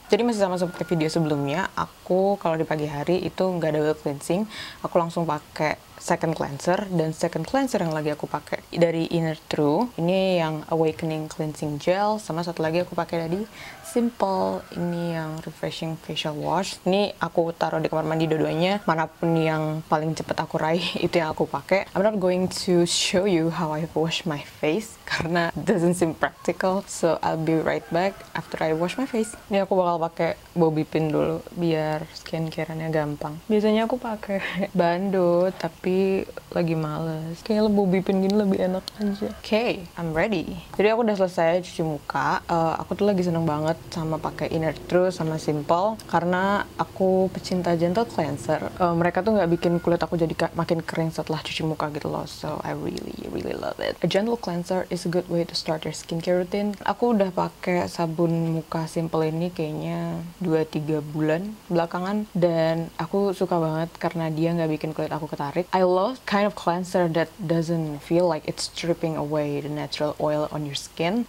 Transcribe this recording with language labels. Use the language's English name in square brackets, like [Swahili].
[Indonesian] Jadi masih sama seperti video sebelumnya, aku kalau di pagi hari itu nggak ada oil cleansing, aku langsung pakai second cleanser, dan second cleanser yang lagi aku pakai dari Inner True, ini yang Awakening Cleansing Gel, sama satu lagi aku pakai dari Simple, ini yang Refreshing Facial Wash. Ini aku taruh di kamar mandi dua-duanya, manapun yang paling cepat aku raih, itu yang aku pakai. [English] I'm not going to show you how I wash my face, [Indonesian] karena [English] doesn't seem practical, so I'll be right back after I wash my face. [Indonesian] Ini aku bakal pakai bobby pin dulu, biar skincare-nya gampang. Biasanya aku pakai bando, tapi lagi males. Kayak lebih bobby pin gini lebih enak aja. [English] Okay, I'm ready. [Indonesian] Jadi aku udah selesai cuci muka. Aku tuh lagi seneng banget sama pakai Inner True sama Simple karena aku pecinta gentle cleanser. Mereka tuh nggak bikin kulit aku jadi makin kering setelah cuci muka gitu loh. [English] So I really love it. A gentle cleanser is a good way to start your skincare routine. [Indonesian] Aku udah pakai sabun muka Simple ini kayaknya 2-3 bulan belakangan dan aku suka banget karena dia nggak bikin kulit aku ketarik. [English] I love kind of cleanser that doesn't feel like it's stripping away the natural oil on your skin.